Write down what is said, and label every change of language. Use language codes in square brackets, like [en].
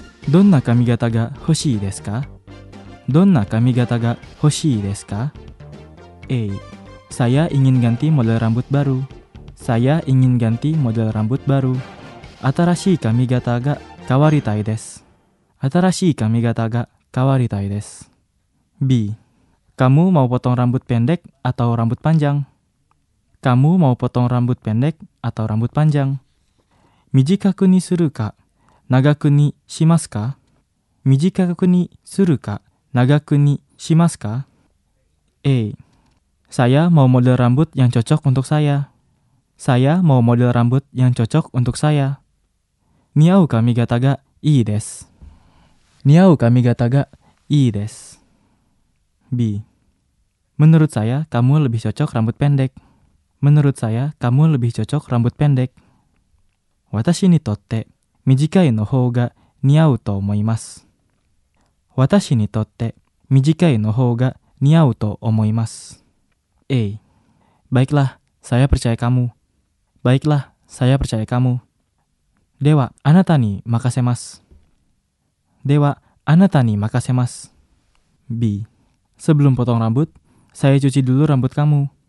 [ja] どんな髪型が欲しいですか?どんな髪型が欲しいですか? [id] A. Saya ingin ganti model rambut baru. Saya ingin ganti model rambut baru. [ja] 新しい髪型が変わりたいです。新しい髪型が変わりたいです。 B. [id] Kamu mau potong rambut pendek atau rambut panjang? Kamu mau potong rambut pendek atau rambut panjang? [ja] 短くにするか、長くにしますか? 短くにするか、長くにしますか? [id] A. Saya mau model rambut yang cocok untuk saya. Saya mau model rambut yang cocok untuk saya. [ja] 似合う髪型がいいです。似合う髪型がいいです。 B. [id] Menurut saya, kamu lebih cocok rambut pendek. Menurut saya, kamu lebih cocok rambut pendek. [ja] 私にとって短いの方が似合うと思います。私にとって短いの方が似合うと思います。 A. [id] Baiklah, saya percaya kamu. Baiklah, saya percaya kamu. [ja] Dewa, anata ni makasemas. Dewa, anata ni makasemas. B. [id] Sebelum potong rambut, saya cuci dulu rambut kamu.